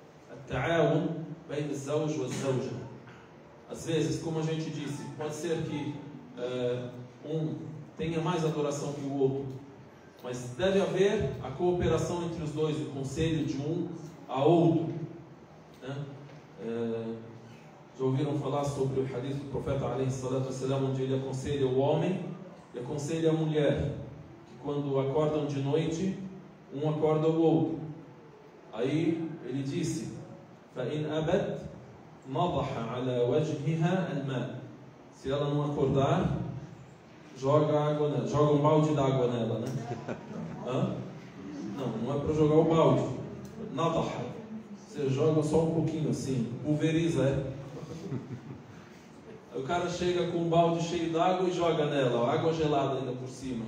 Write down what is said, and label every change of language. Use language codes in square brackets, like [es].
[ar] At-ta'awun bain az-zawj waz-zawja. [pt] Às vezes, como a gente disse, pode ser que um tenha mais adoração que o outro, mas deve haver a cooperação entre os dois, o conselho de um a outro. Né? Já ouviram falar sobre o hadith do profeta alaihissalatu wassalam, onde ele aconselha o homem e aconselha a mulher, que quando acordam de noite, um acorda o outro. Aí ele disse, [ar] فَإِنْ أَبَتْ مَضَحَ عَلَى وَجْهِهَا الْمَاءِ. [pt] Se ela não acordar, joga água nela, joga um balde d'água nela, né? Hã? Não é para jogar o balde. مَضَحَ. Você joga só um pouquinho assim, pulveriza, é? O cara chega com um balde cheio d'água e joga nela, ó, água gelada ainda por cima.